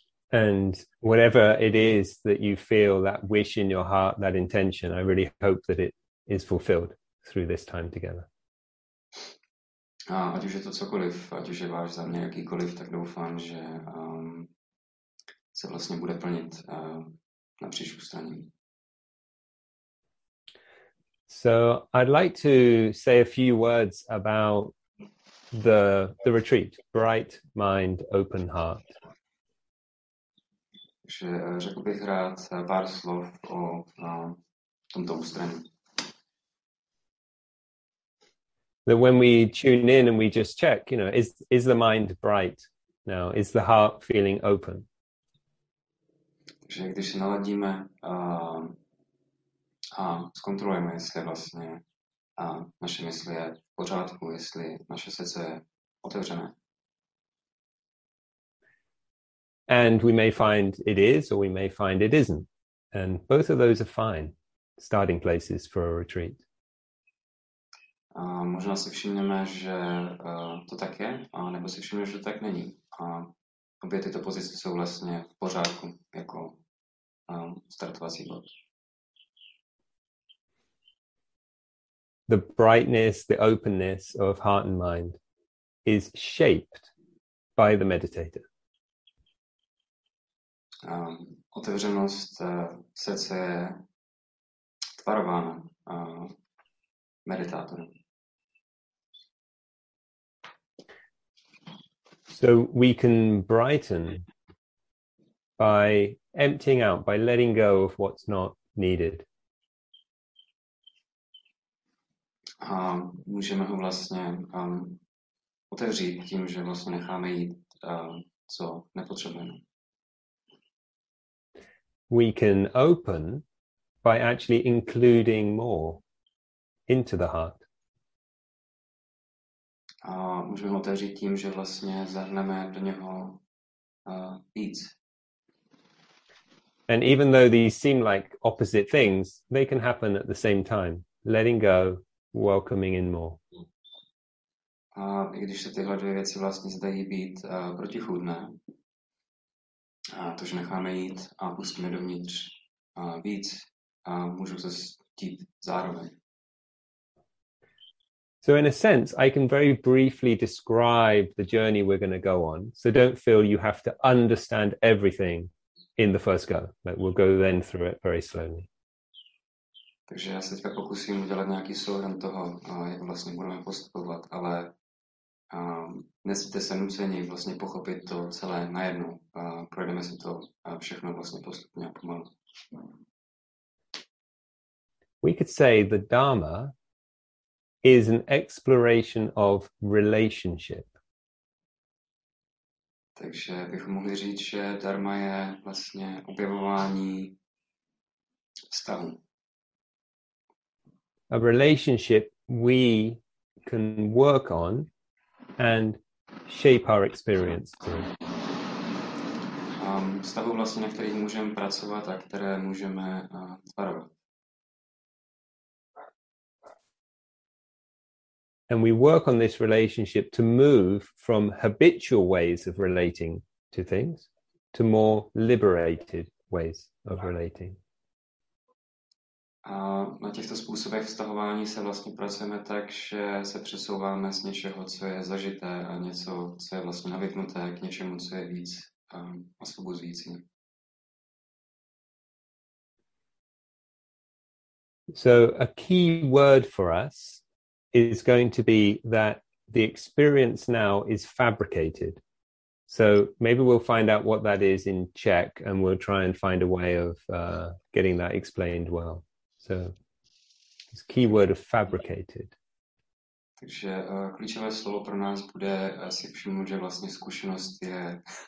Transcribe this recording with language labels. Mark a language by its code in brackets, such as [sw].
[en] And whatever it is that you feel, that wish in your heart, that intention, I really hope that it is fulfilled through this time together. [cs] Ať už je to cokoliv, ať už je váš záměr jakýkoliv, tak doufám, že se vlastně bude plnit napříč ustraním. [en] So I'd like to say a few words about the retreat, Bright Mind, Open Heart. [cs] Že řekl bych rád pár slov o tomto ústraní. [en] That when we tune in and we just check, you know, is the mind bright now? Is the heart feeling open? [cs] Že když se naladíme a zkontrolujeme, jestli vlastně naše mysl je pořádku, jestli naše srdce je otevřené. [en] And we may find it is, or we may find it isn't. And both of those are fine starting places for a retreat. [cs] Možná si všimneme, že to tak je, a nebo si všimneme, že to tak není. A obě tyto pozice jsou vlastně v pořádku jako startovací bod. [en] The brightness, the openness of heart and mind is shaped by the meditator. [cs] Otevřenost srdce je tvarována meditátorem. [en] So we can brighten by emptying out, by letting go of what's not needed. [cs] A můžeme ho vlastně otevřít tím, že vlastně necháme jít, co nepotřebujeme. [en] We can open by actually including more into the heart. [cs] A můžeme ho otevřít tím, že vlastně zahrneme do něho víc. [en] And even though these seem like opposite things, they can happen at the same time. Letting go, welcoming in more. [cs] A i když se tyhle dvě věci vlastně zdají být protichůdné, a to, že necháme jít a pustíme dovnitř víc, a můžou se stít zároveň. [en] So in a sense, I can very briefly describe the journey we're going to go on. So don't feel you have to understand everything in the first go. But we'll go then through it very slowly. [cs] Takže já se teďka pokusím udělat nějaký souhrn toho, jak vlastně budeme postupovat, ale nejste se nuceni vlastně pochopit to celé najednou. Projdeme si to všechno vlastně postupně a pomalu. [en] We could say the Dharma is an exploration of relationship. [cs] Takže bychom mohli říct, že dharma je vlastně objevování vztahu. [en] A relationship we can work on and shape our experience to. [cs] Vztahu vlastně, na kterých můžeme pracovat a které můžeme tvarovat. [en] And we work on this relationship to move from habitual ways of relating to things to more liberated ways of relating. [cs] A na těchto způsobech vztahování se vlastně pracujeme tak, že se přesouváme z něčeho, co je zažité a něco, co je vlastně navyknuté, k něčemu, co je víc osvobozující. [en] So a key word for us is going to be that the experience now is fabricated. So maybe we'll find out what that is in Czech and we'll try and find a way of getting that explained well. So this key word of fabricated. [cs] Takže klíčové slovo pro nás bude si všimnout, že vlastně zkušenost je